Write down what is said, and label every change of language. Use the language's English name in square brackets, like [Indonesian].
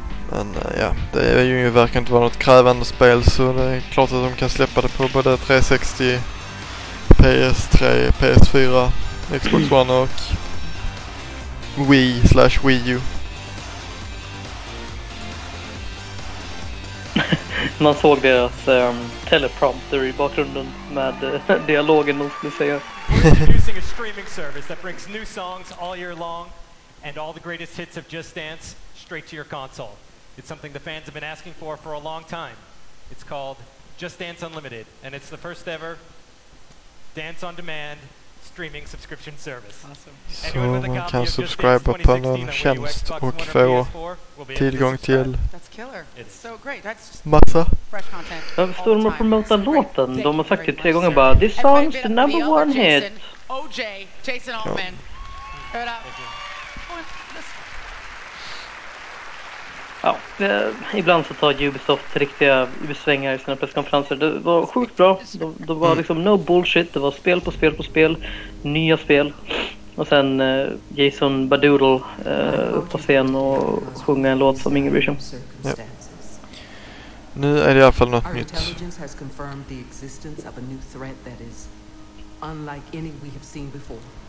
[Swedish] Men ja, det är ju verkligen inte vara något krävande spel, så det är klart att de kan släppa det på både 360, PS3, PS4, Xbox One och Wii/Wii U. Man såg deras teleprompter i bakgrunden med dialogen de skulle säga. [English] Producing a streaming service that brings new songs all year long and all the greatest hits of Just Dance straight to your console. It's something the fans have been asking for a long time. It's called Just Dance Unlimited, and it's the first ever dance on demand streaming subscription service. Awesome. [Swedish] So man kan subscriba på någon tjänst och få tillgång till. [English] That's killer. It's so great. That's [Swedish] massa. Jag förstår de har promotat låten. De har sagt det 3 gånger bara. [English] This song's the number one hit. [Swedish] OJ, Jason Allman. Hör upp. Ja, ibland så tar Ubisoft riktiga svängar i sina presskonferenser. Det var sjukt bra. Det var liksom [English] no bullshit. [Swedish] Det var spel på spel på spel. Nya spel. Och sen Jason Badoodle upp på scen och sjunga en låt som ingen bryr sig om. Ja. Nu är det i alla fall något nytt. [English] Our intelligence has confirmed the existence of a new threat that is unlike any we have seen before.